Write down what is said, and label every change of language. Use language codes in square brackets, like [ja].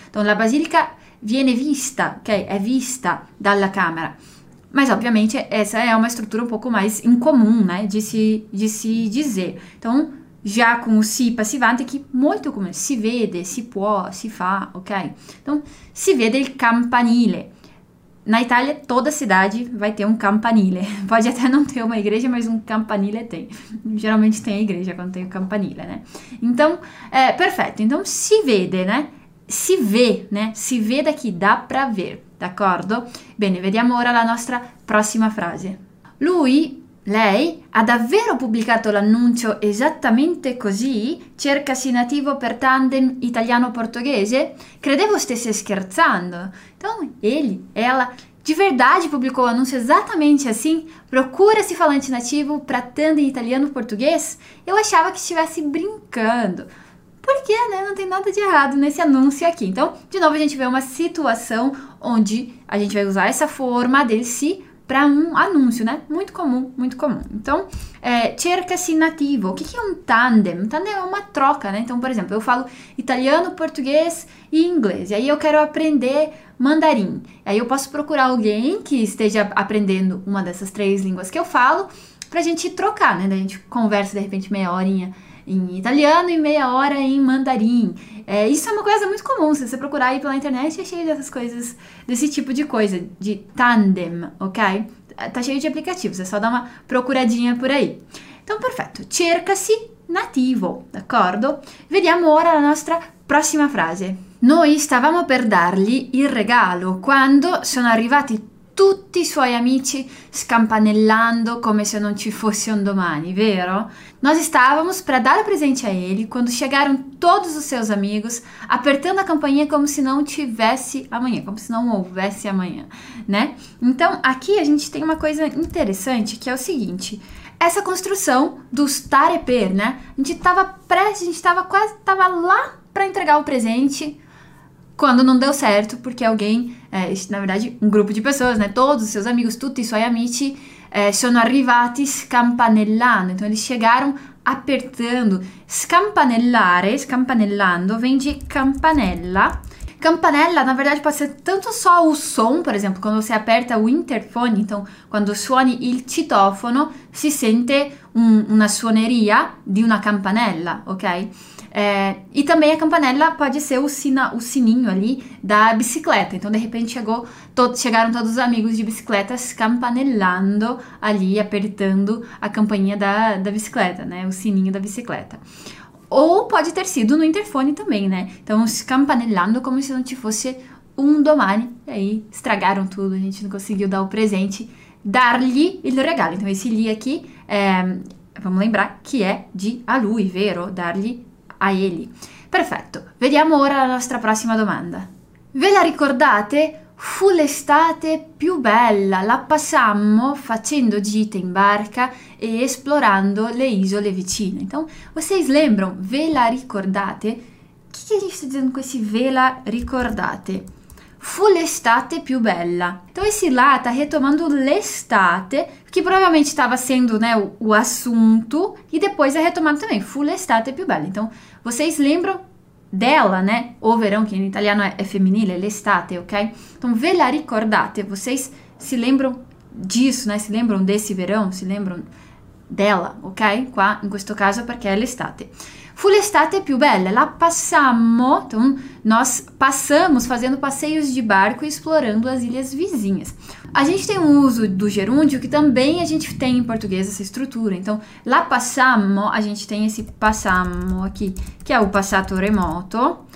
[pt] Então, [it] la basílica viene vista, ok? È vista dalla camera. [pt] Mas, obviamente, essa é uma estrutura um pouco mais incomum, né? De se dizer. Então, já com o si passivante, que muito comum, si vede, si può, si fa, ok? Então, [it] si vede il campanile. [pt] Na Itália, toda cidade vai ter um campanile. Pode até não ter uma igreja, mas um campanile tem. Geralmente tem a igreja quando tem o campanile, né? Então, perfeito. Então, si vede, né? Si vê, né? Si vede che dà per aver, [it] d'accordo? Bene, vediamo ora la nostra prossima frase. Lui Lei ha davvero pubblicato l'annuncio esattamente così? Cercasi nativo per tandem italiano-portoghese? Credevo stesse scherzando. [pt] Então, ele, ela, de verdade publicou o anúncio exatamente assim? Procura-se falante nativo para tandem italiano-português? Eu achava que estivesse brincando. Porque, né, não tem nada de errado nesse anúncio aqui. Então, de novo, a gente vê uma situação onde a gente vai usar essa forma de se para um anúncio, né? Muito comum, muito comum. Então, cerca-se nativo. O que que é um tandem? Tandem é uma troca, né? Então, por exemplo, eu falo italiano, português e inglês. E aí eu quero aprender mandarim. E aí eu posso procurar alguém que esteja aprendendo uma dessas três línguas que eu falo para a gente trocar, né? Daí a gente conversa de repente meia horinha em italiano e meia hora em mandarim. Isso é uma coisa muito comum. Se você procurar aí pela internet, é cheio dessas coisas, desse tipo de coisa, de tandem, ok? Tá cheio de aplicativos, é só dar uma procuradinha por aí. Então, perfeito. Cerca-se nativo, [it] d'accordo? Vediamo ora la nostra prossima frase. Noi stavamo per dargli il regalo quando sono arrivati tutti i suoi amici scampanellando come se non ci fosse un domani, vero? [pt] Nós estávamos para dar o presente a ele quando chegaram todos os seus amigos apertando a campainha como se não tivesse amanhã, como se não houvesse amanhã, né? Então, aqui a gente tem uma coisa interessante que é o seguinte: essa construção do estar e per, né? A gente estava prestes, a gente estava quase, estava lá para entregar o presente. Quando não deu certo, porque alguém, na verdade, um grupo de pessoas, né? Todos os seus amigos, [it] tutti i suoi amici, sono arrivati scampanellando. [pt] Então eles chegaram apertando. Scampanellare, scampanellando, vem de campanella. Campanella, na verdade, pode ser tanto só o som, por exemplo, quando você aperta o interfone, então quando [it] suoni il citofono, si sente una suoneria di una campanella, [pt] ok? E também a campanella pode ser o sininho ali da bicicleta. Então, de repente, chegaram todos os amigos de bicicleta escampanelando ali, apertando a campainha da bicicleta, né? O sininho da bicicleta. Ou pode ter sido no interfone também, né? Então, escampanelando [it] como se não te fosse um domani. [pt] E aí, estragaram tudo, a gente não conseguiu dar o presente, [it] dar-lhe il regalo. [pt] Então, esse li aqui, vamos lembrar que é de a lui, vero? Dar-lhe a ele. [it] Perfetto, vediamo ora la nostra prossima domanda. Ve la ricordate? Fu l'estate più bella, la passammo facendo gite in barca e esplorando le isole vicine. [pt] Então, vocês lembram? [it] Ve la ricordate? Che gente sta dicendo questi ve la ricordate? Fu l'estate più bella. [pt] Então, esse lá tá retomando l'estate, que provavelmente estava sendo, né, o assunto, e depois é retomado também. Fu l'estate più bella. Então, vocês lembram dela, né? O verão, que em italiano é femminile, l'estate, ok? Então, ve la ricordate? Vocês se lembram disso, né? Se lembram desse verão? Se lembram dela, ok? [it] Qua, in questo caso, perché è l'estate. Fu l'estate più bella, la passammo, [pt] então nós passamos fazendo passeios de barco e explorando as ilhas vizinhas. A gente tem um uso do gerúndio que também a gente tem em português essa estrutura. Então, la passammo, a gente tem esse passammo aqui, que é o passato remoto.